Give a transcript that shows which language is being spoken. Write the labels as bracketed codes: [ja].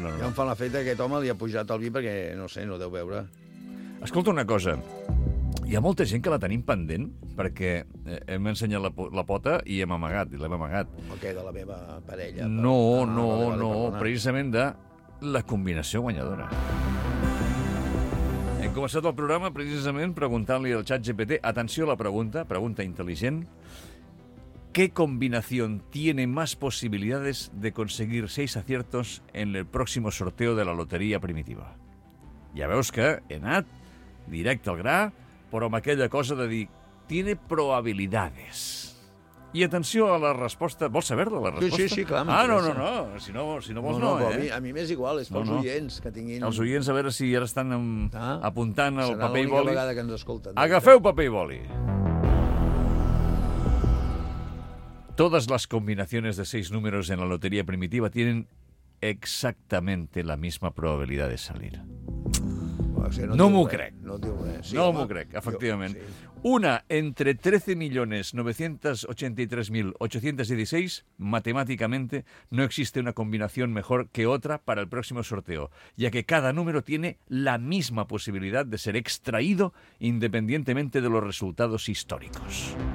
[ca] Ja em fa la feta que aquest home li ha pujat el vi perquè, no sé, no deu veure. Escolta una cosa. Hi ha molta gent que la tenim pendent, perquè hem ensenyat la pota i hem amagat, i l'hem amagat. El que de la meva parella. No, precisament de la combinació guanyadora. Hem començat el programa precisament preguntant-li al ChatGPT, atenció a la pregunta intel·ligent, [es] ¿qué combinación tiene más posibilidades de conseguir 6 aciertos en el próximo sorteo de la loteria primitiva? [ca] Ja veus que he anat directe al gra, però amb aquella cosa de dir, [es] tiene probabilidades. [ca] I atenció a la resposta. Vols saber-la, la resposta? Sí, clar. No. Si no vols. A mi m'és igual, és pels oients que tinguin... Els oients, a veure si ara estan apuntant el serà paper i boli. Serà l'única vegada que ens escolten. Agafeu paper i boli. [es] Todas las combinaciones de 6 números en la lotería primitiva tienen exactamente la misma probabilidad de salir. [ca] No m'ho crec, efectivament. Jo, sí. [es] Una entre 13.983.816, [ca] matemàticament, [es] no existe una combinació mejor que otra para el próximo sorteo, ya que cada número tiene la misma posibilidad de ser extraído independientemente de los resultados históricos.